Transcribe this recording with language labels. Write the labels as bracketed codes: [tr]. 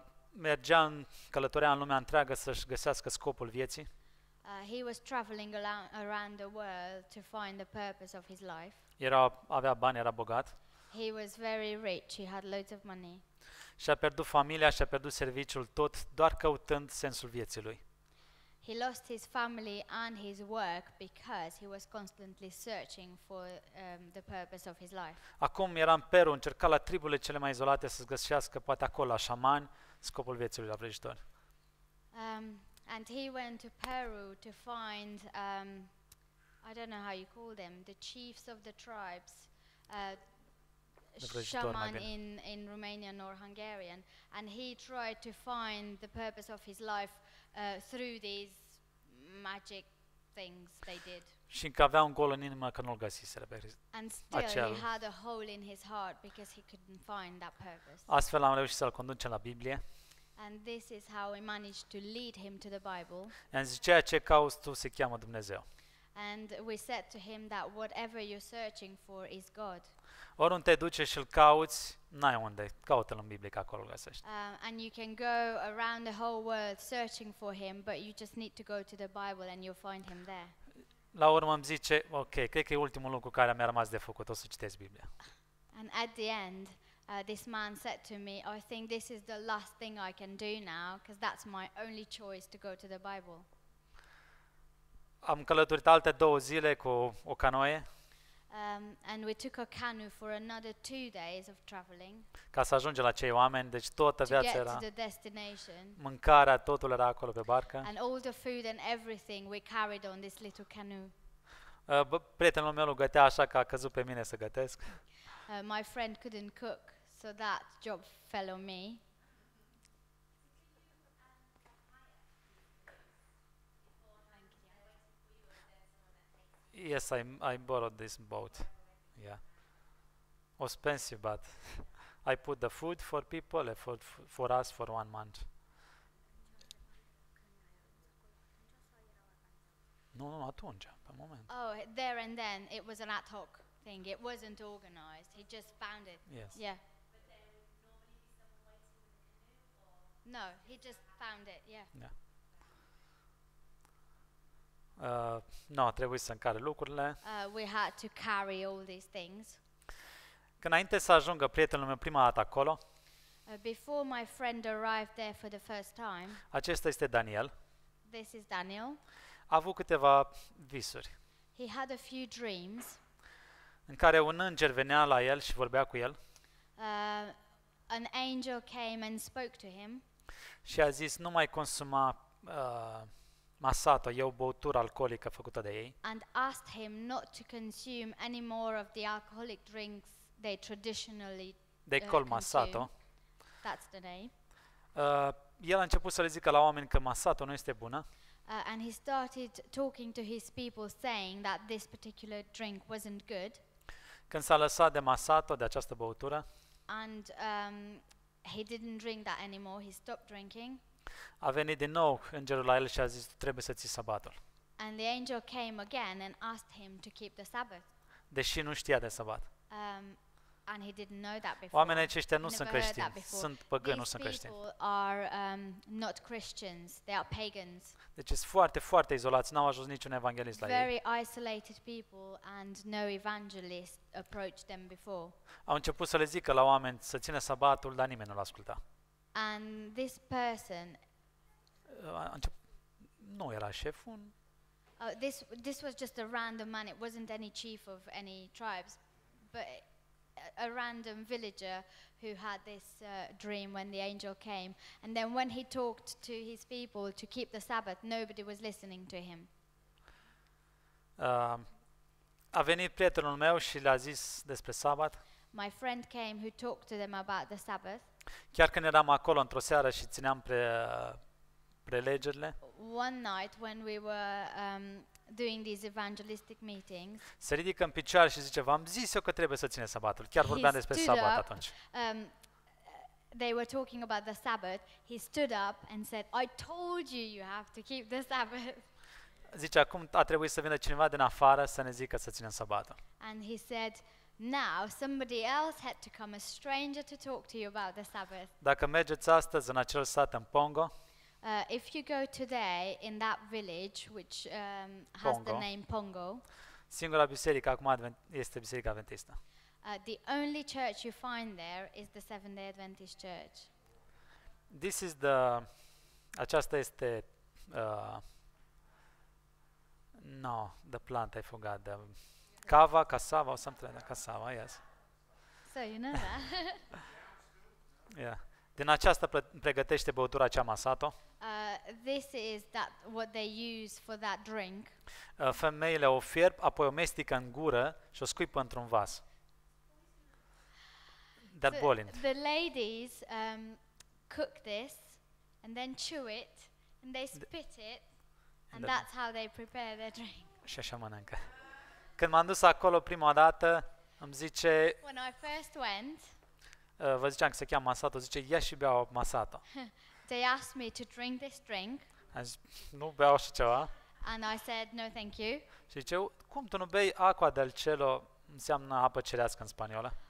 [ro] Mergea în călătoria în lumea întreagă să-și găsească scopul vieții. [en] He was traveling around the world to find the purpose of his life. [ro] Avea bani, era bogat. [en] He was very rich, he had loads of money. [ro] Și-a pierdut familia, și-a pierdut serviciul tot, doar căutând sensul vieții lui. [en] He lost his family and his work because he was constantly searching for the purpose of his life. [ro] Acum era în Peru, încerca la triburile cele mai izolate să -și găsească poate acolo la șamani scopul vieții lui la vrăjitor. [en] And he went to Peru to find I don't know how you call them, the chiefs of the tribes, shaman in Romanian or Hungarian, and he tried to find the purpose of his life through these magic things they did. [ro] Și încă avea un gol în inimă că nu-l găsise. [en] And still he had a hole in his heart because he couldn't find that purpose. [ro] Astfel am reușit să-l conducem la Biblie. [en] And this is how we managed to lead him to the Bible. [ro] And zice, ceea ce cauți tu se cheamă Dumnezeu. [en] And we said to him that whatever you're searching for is God. [ro] Oriunde te duci și îl cauți, n-ai unde. Caută-l în Biblie, că acolo găsești. [en] And you can go around the whole world searching for him, but you just need to go to the Bible and you'll find him there. [ro] La urmă îmi zice, ok, cred că e ultimul lucru care mi-a rămas de făcut, o să citesc Biblia. [en] And at the end, this man said to me, I think this is the last thing I can do now, because that's my only choice to go to the Bible. [ro] Am călătorit alte două zile cu o canoe. [en] And we took a canoe for another 2 days of traveling. [ro] Ca să ajungem la cei oameni, deci toată viața era. [en] To get to the destination. [ro] Mâncarea, totul era acolo pe barcă. [en] And all the food and everything we carried on this little canoe. [ro] Prietenul meu gătea așa că a căzut pe mine să gătesc. [en] My friend couldn't cook, so that job fell on me. Yes, I borrowed this boat. Yeah. Expensive, but I put the food for people, for us, for 1 month. [ro] No, atunci, pe moment. [en] Oh, there and then, it was an ad hoc thing. It wasn't organized. He just found it. Yes. Yeah. No, he just found it. Yeah. Yeah. [ro] A trebuie să încarce lucrurile. [en] We had to carry all these things. [ro] Când înainte să ajungă prietenul meu prima dată acolo. [en] Before my friend arrived there for the first time. [ro] Acesta este Daniel. [en] This is Daniel. [ro] A avut câteva visuri. [en] He had a few dreams. [ro] În care un înger venea la el și vorbea cu el. [en] An angel came and spoke to him. [ro] Și a zis: "Nu mai consuma masata, e o băutură alcoolică făcută de ei." [en] And asked him not to consume any more of the alcoholic drinks they traditionally they call masato. That's the name. [ro] El a început să le zică la oameni că masato nu este bună. [en] And he started talking to his people saying that this particular drink wasn't good. [ro] Când s-a lăsat de masato, de această băutură, [en] and he didn't drink that anymore, he stopped drinking. [ro] A venit din nou îngerul la el și a zis: "Trebuie să ții sabatul." [en] And the angel came again and asked him to keep the Sabbath. [ro] Deși nu știa de sabat. [en] And he didn't know that before. [ro] Oamenii aceștia nu sunt creștini, sunt păgâni, nu sunt creștini. [en] These people are not Christians, they are pagans. [ro] Deci sunt foarte, foarte izolați, n-au ajuns niciun evanghelist la ei. [en] Very isolated people and no evangelist approached them before. [ro] Au început să le zică la oameni să țină sabatul, dar nimeni nu l-a ascultat. [en] And this person [ro] nu era șeful. [en] This was just a random man, it wasn't any chief of any tribes, but a random villager who had this dream when the angel came, and then when he talked to his people to keep the Sabbath, nobody was listening to him. [ro] A venit prietenul meu și le-a zis despre sabat. [en] My friend came who talked to them about the Sabbath. [ro] Chiar când eram acolo într-o seară și țineam prelegerile. [en] One night when we were doing these evangelistic meetings. [ro] Se ridică în picioare și zice: "V-am zis eu că trebuie să țineți sabatul." Chiar vorbeam despre sabat atunci. [en] They were talking about the Sabbath. He stood up and said, "I told you you have to keep the Sabbath." [ro] Zice: "Acum a trebuit să vină cineva din afară să ne zică să ținem sabatul." [en] And he said, "Now somebody else had to come, a stranger, to talk to you about the Sabbath." [ro] Dacă mergeți astăzi în acel sat în Pongo, [en] If you go today in that village which has Pongo, the name Pongo, [ro] singura biserică acum este biserica adventistă. [en] The only church you find there is the Seventh-day Adventist Church. This is the [ro] aceasta este [en] no, the plant I forgot, the cava, cassava or something like that, cassava, yes. So you know that. Yeah. [ro] Din aceasta pregătește băutura cea masato. [en] This is that what they use for that drink. [ro] Femeile o fierb, apoi o mestecă în gură și o scuipă într-un vas. Dar [en] so bolind. The ladies cook this and then chew it and they spit it and that's how they prepare their drink. [ro] Și așa mănâncă. Când m-am dus acolo prima dată, îmi zice: [en] "When I first went," [ro] vă ziceam că se cheamă masato, zice: "Ia și bea masato." [en] They asked me to drink this drink. [ro] Zis, nu beau așa ceva. [en] And I said no thank you. [ro] Și zice: "Cum tu nu bei [es] aqua del cielo, [ro] înseamnă apă cerească în spaniolă?"